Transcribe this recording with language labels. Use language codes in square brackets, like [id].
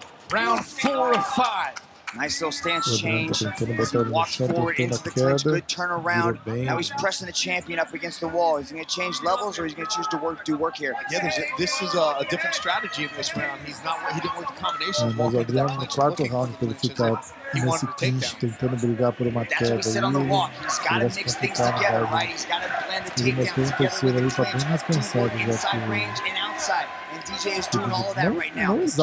[en] Round four of five. Nice little stance change. As he walked forward into the clinch. Good turnaround. Now he's pressing the champion up against the wall. Is he going to change levels or is he going to choose to do work here? Yeah, this is a different strategy in this round. He didn't work the combination. [pt] Mas o Adriano no quarto round, que ele fica nesse clinch tentando brigar por uma queda. [en] He's got to mix things together, right? He's got to blend the takedowns together with the clinch. Deep work inside range and outside. DJ is doing all of that right now.